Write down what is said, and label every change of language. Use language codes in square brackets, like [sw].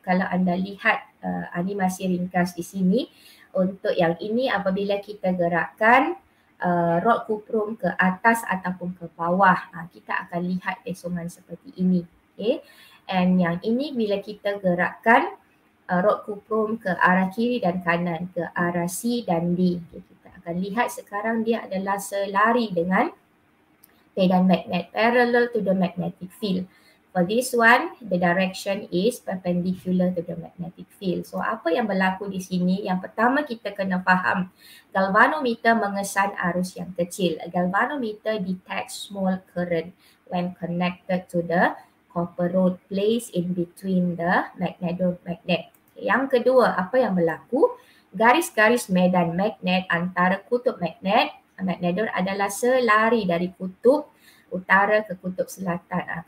[ms] Kalau anda lihat animasi ringkas di sini, untuk yang ini apabila kita gerakkan rod kuprum ke atas ataupun ke bawah, kita akan lihat pesongan seperti ini. Okay. And yang ini bila kita gerakkan rod kuprum ke arah kiri dan kanan, ke arah C dan D. Okay. Kita akan lihat sekarang dia adalah selari dengan medan magnet, [en] parallel to the magnetic field. For this one, the direction is perpendicular to the magnetic field. [ms] So, apa yang berlaku di sini? Yang pertama kita kena faham, galvanometer mengesan arus yang kecil. [en] A galvanometer detects small current when connected to the copper rod placed in between the magnet. [ms] Yang kedua, apa yang berlaku? Garis-garis medan magnet antara kutub magnetor adalah selari dari kutub utara ke kutub selatan.